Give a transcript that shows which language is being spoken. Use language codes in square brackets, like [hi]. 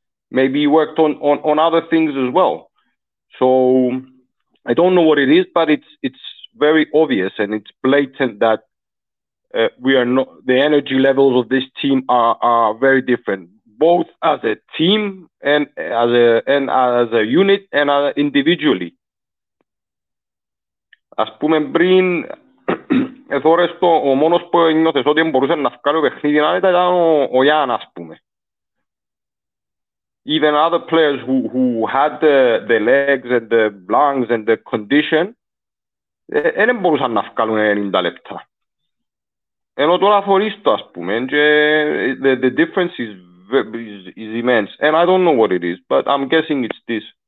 [en] Maybe he worked on other things as well. So I don't know what it is, but it's very obvious and it's blatant that we are not, the energy levels of this team are very different, both as a team and as a unit and individually. [el] Ας πούμε πριν, εθώρες το, ο μόνος που νιώθες ότι μπορούσε να βγάλει ο παιχνίδι να ήταν ο Γιάν, ας πούμε. [en] Even other players who had the legs and the lungs and the condition, [el] δεν μπορούσαν να βγάλουν 90 λεπτά. Ενώ τώρα φορείς το, ας πούμε, [en] the difference is immense, and I don't know what it is, but I'm guessing it's this.